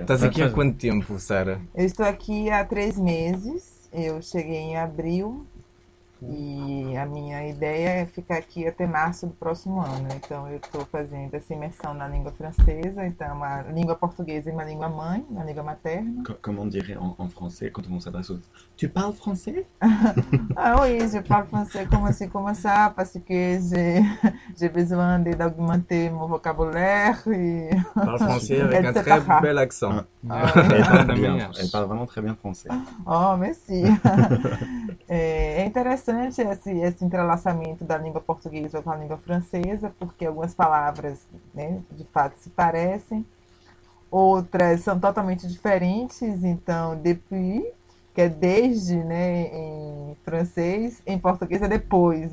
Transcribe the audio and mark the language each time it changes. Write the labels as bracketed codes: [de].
[pt] Estás aqui há quanto tempo, Sara? Eu estou aqui há 3 meses. Eu cheguei em abril. E a minha ideia é ficar aqui até março do próximo ano. Então, eu estou fazendo essa imersão na língua francesa. Então, a língua portuguesa é uma língua mãe, uma língua materna. Como [fr] on dirait en français, [pt] quando [fr] on s'adresse aux autres? Tu parles français? Ah, oui, je parle français. Comment ça? Parce que j'ai besoin d'augmenter mon vocabulaire. Et... parle français avec un très bel accent. Elle parle vraiment très bien français. Oh, merci. [pt] É interessante esse entrelaçamento da língua portuguesa com a língua francesa, porque algumas palavras, né, de fato se parecem, outras são totalmente diferentes. Então, depuis, que é desde, né, em francês, em português é depois.